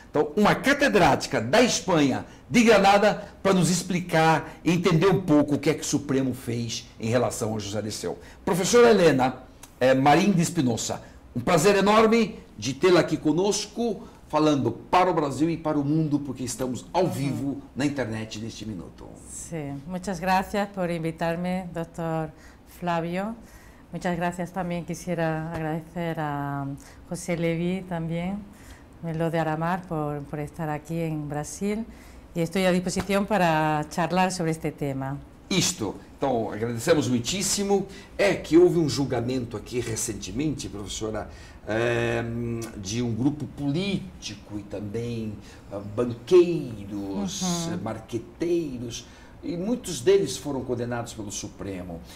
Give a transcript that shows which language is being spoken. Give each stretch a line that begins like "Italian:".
Portuguese: Então, uma catedrática da Espanha, de Granada, para nos explicar e entender um pouco o que é que o Supremo fez em relação ao José Dirceu. Professora Helena, Marim de Espinosa, um prazer enorme de tê-la aqui conosco, falando para o Brasil e para o mundo, porque estamos ao vivo na internet neste minuto.
Spanish: Sí, muchas gracias por invitarme, doctor Flavio. Muchas gracias también. Quisiera agradecer a José Levi también, Melo de Aramar, por estar aquí en Brasil. Y estoy a disposición para charlar sobre este tema.
Portuguese: Isto. Então, agradecemos muitíssimo. É que houve um julgamento aqui recentemente, professora, de um grupo político e também banqueiros, marqueteiros, e muitos deles foram condenados pelo Supremo.